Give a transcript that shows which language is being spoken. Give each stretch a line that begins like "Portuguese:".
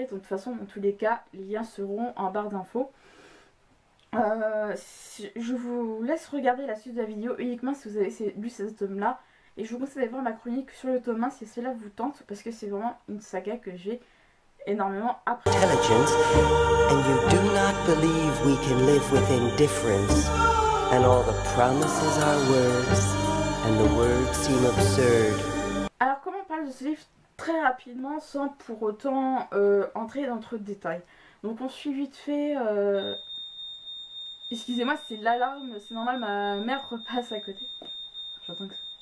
French: Donc, de toute façon, dans tous les cas, les liens seront en barre d'infos. Je vous laisse regarder la suite de la vidéo uniquement si vous avez lu ces tomes là et je vous conseille d'aller voir ma chronique sur le tome 1 si cela vous tente, parce que c'est vraiment une saga que j'ai énormément appris.
English: Intelligence, and you do not believe we can live with indifference, and all the promises are words, and the words seem absurd.
French: Alors, comment on parle de ce livre très rapidement sans pour autant entrer dans trop de détails? Donc on suit vite fait excusez-moi, c'est l'alarme, c'est normal, ma mère repasse à côté. J'entends que ça.